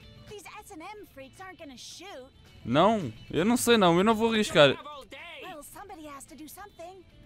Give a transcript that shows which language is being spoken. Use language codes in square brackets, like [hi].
[en] These S&M freaks aren't gonna shoot. [pt] Não, eu não sei não, eu não vou arriscar. [en] Well, somebody has to do something.